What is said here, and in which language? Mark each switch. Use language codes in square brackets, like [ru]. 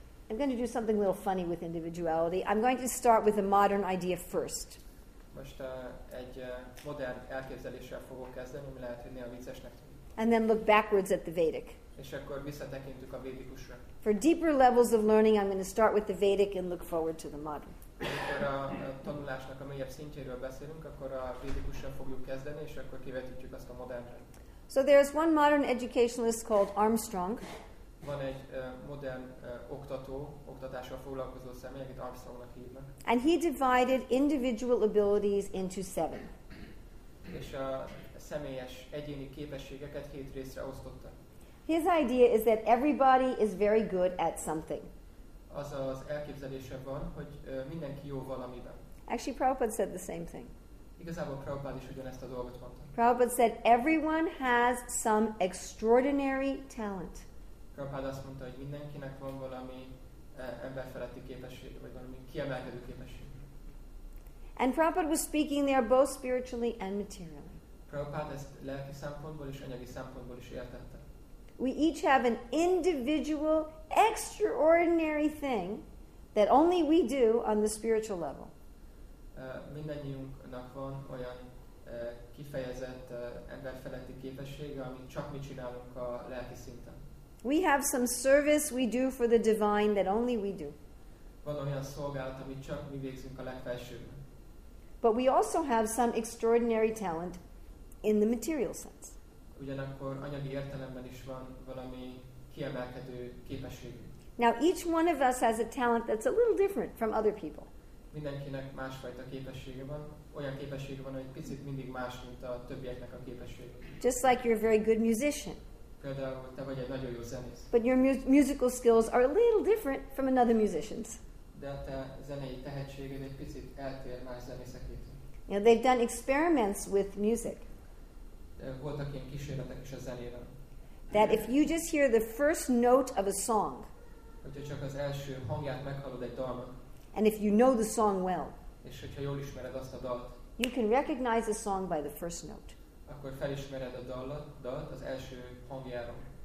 [en] I'm going to do something a little funny with individuality. I'm going to start with a modern idea first. [hu] Most egy modern elképzeléssel fogok kezdeni, ami lehet, hogy néha viccesnek tűnik. [en] And then look backwards at the Vedic. [hu] És akkor visszatekintünk a védikusra. [en] For deeper levels of learning, I'm going to start with the Vedic and look forward to the modern. [hu] Amikor a tanulásnak a mélyebb szintjéről beszélünk, akkor a védikussal fogjuk kezdeni, és akkor kivetítjük azt a modernre. [en] So there's one modern educationalist called Armstrong. [hu] Van egy modern oktatással foglalkozó személy, akit Armstrongnak hívnak. [en] And he divided individual abilities into 7. [hu] És a személyes egyéni képességeket 7 részre osztotta. [en] His idea is that everybody is very good at something. [hu] Az az elképzelése van, hogy mindenki jó valamiben. [en] Actually, Prabhupada said the same thing. [hu] Igazából Prabhupada is ugyanezt a dolgot mondta. [en] Prabhupada said everyone has some extraordinary talent. [hu] Prabhupád azt mondta, hogy mindenkinek van valami emberfeletti képesség, vagy valami kiemelkedő képesség. [en] And Prabhupád was speaking there both spiritually and materially. [hu] Prabhupád ezt lelki szempontból és anyagi szempontból is értette. [en] We each have an individual, extraordinary thing that only we do on the spiritual level. [hu] Mindannyiunknak van olyan kifejezett emberfeletti képessége, amit csak mi csinálunk a lelki szinten. [en] We have some service we do for the divine that only we do. [hu] Van olyan szolgálat, amit csak mi végzünk a legfelsőben. [en] But we also have some extraordinary talent in the material sense. [hu] Ugyanakkor anyagi értelemben is van valami kiemelkedő képesség. [en] Now each one of us has a talent that's a little different from other people. [hu] Mindenkinek másfajta képessége van, olyan képessége van, hogy picit mindig más, mint a többieknek a képessége. [en] Just like you're a very good musician. [hu] Például, te vagy egy nagyon jó zenész. [en] But your musical skills are a little different from another musician's. [hu] De a te zenei tehetséged egy picit eltér más zenészekétől. [en] You know, they've done experiments with music. [hu] Voltak ilyen kísérletek is a zenével. [en] That if you just hear the first note of a song. [hu] Hogyha csak az első hangját meghallod egy dalnak. [en] And if you know the song well. [hu] És hogyha jól ismered azt a dalt. [en] You can recognize a song by the first note. [hu] Akkor felismered a dalt az első hangjáról.